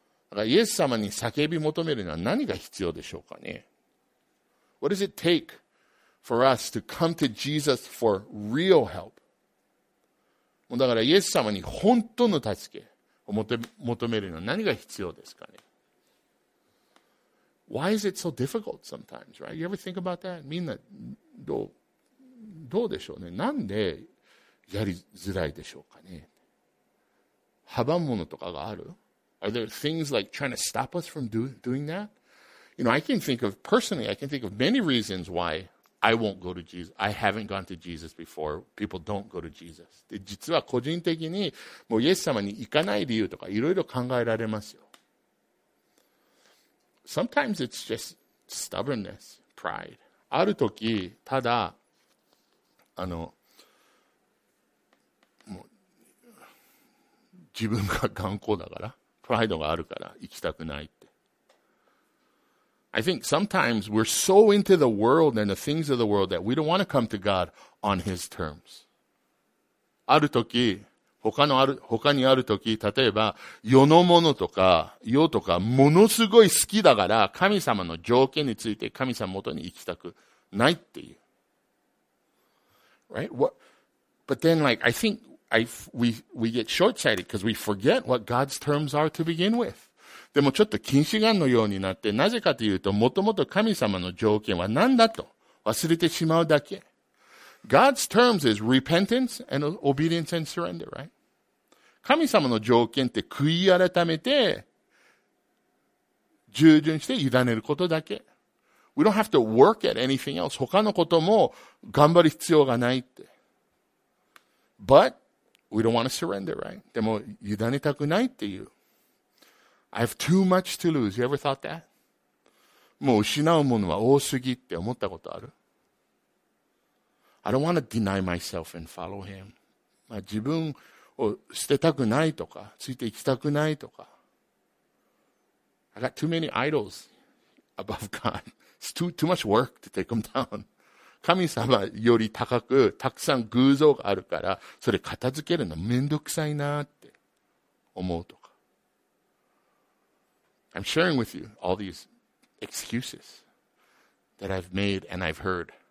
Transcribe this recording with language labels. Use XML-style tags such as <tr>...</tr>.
<ja>だからイエス様に叫び求めるのは何が必要でしょうかね。</ja> <en>What does it take for us to come to Jesus for real help?</en> <ja>もうだからイエス様に本当の助けを求めるのは何が必要ですかね。</ja> <en>Why is it so difficult sometimes, right? You ever think about that?</en> <ja>みんなどうでしょうね。なんでやりづらいでしょうかね。阻むものとかがある？</ja> <en>Are there things like trying to stop us from doing that? You know, I can think of many reasons why I won't go to Jesus. I haven't gone to Jesus before. People don't go to Jesus.</en> <ja>で、実は個人的にもうイエス様に行かない理由とかいろいろ考えられますよ。</ja> <en>Sometimes it's just stubbornness, pride.</en> <ja>ある時、ただ、もう、自分が頑固だから。プライドがあるから行きたくないって。</ja> <en>I think sometimes we're so into the world and the things of the world that we don't want to come to God on His terms.</en> <ja>ある時、他にある時、例えば、世のものとか、世とか、ものすごい好きだから、神様の条件について神様元に行きたくないっていう。</ja> <en>Right? We get short-sighted because we forget what God's terms are to begin with.</en> <ja>でもちょっと近視眼のようになって、なぜかというと、もともと神様の条件は何だと忘れてしまうだけ。</ja> <en>God's terms is repentance and obedience and surrender, right?</en> <ja>神様の条件って悔い改めて、従順して委ねることだけ。</ja> <en>We don't have to work at anything else.</en> <ja>他のことも頑張る必要がないって。</ja> <en>But,We don't want to surrender, right?</en> <ja>でも、委ねたくないっていう。</ja> <en>I have too much to lose. You ever thought that?</en> <ja>もう失うものは多すぎって思ったことある。</ja> <en>I don't want to deny myself and follow him.</en> <ja>まあ自分を捨てたくないとか、ついていきたくないとか。</ja> <en>I got too many idols above God. It's too much work to take them down.</en> <ja>神様より高くたくさん偶像があるからそれ片付けるのめんどくさいなって思うとか。</ja> <en>I'm sharing with you all these excuses that I've made and I've heard.</en>